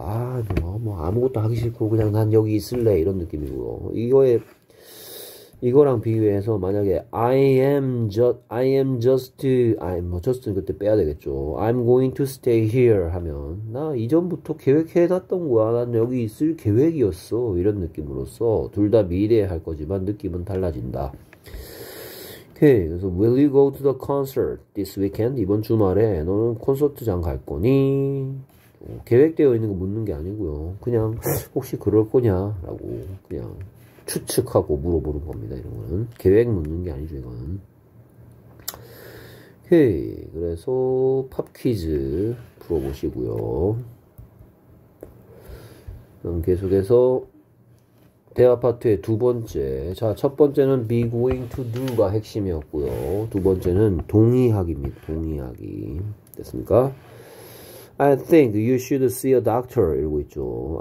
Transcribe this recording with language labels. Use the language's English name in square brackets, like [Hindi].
[Korean] 아뭐 아무것도 하기 싫고 그냥 난 여기 있을래 이런 느낌이고 이거에 이거랑 비교해서 만약에 [English] I am just [Korean] 그때 빼야 되겠죠. [English] I'm going to stay here [Korean] 하면 나 이전부터 계획해놨던 거야. 난 여기 있을 계획이었어. 이런 느낌으로써 둘다 미래에 할 거지만 느낌은 달라진다. [English] Okay, [Korean] 그래서 [English] Will you go to the concert this weekend? [Korean] 이번 주말에 너는 콘서트장 갈 거니? 계획되어 있는 거 묻는 게 아니고요. 그냥 혹시 그럴 거냐라고 그냥. 추측하고 물어보는 겁니다. 이런 거는 계획 묻는 게 아니죠. 이거는 오케이. 그래서 팝 퀴즈 풀어보시고요. 그럼 계속해서 대화 파트의 두 번째. 자, 첫 번째는 be going to do가 핵심이었고요. 두 번째는 동의하기입니다. 동의하기 됐습니까? [English] I think you should see a doctor [Korean] 이러고 있죠.